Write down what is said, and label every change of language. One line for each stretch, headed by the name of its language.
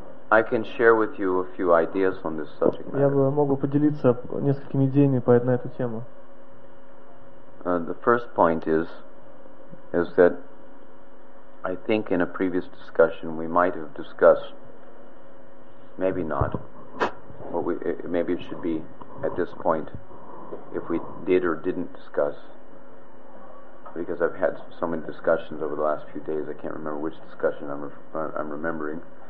English: I can share with you a few ideas on this subject.
Russian: Я бы могу поделиться несколькими идеями по на эту тему.
English: The first point is that I think in a previous discussion we might have discussed, maybe not, but maybe it should be at this point, if we did or didn't discuss, because I've had so many discussions over the last few days, I can't remember which discussion I'm remembering.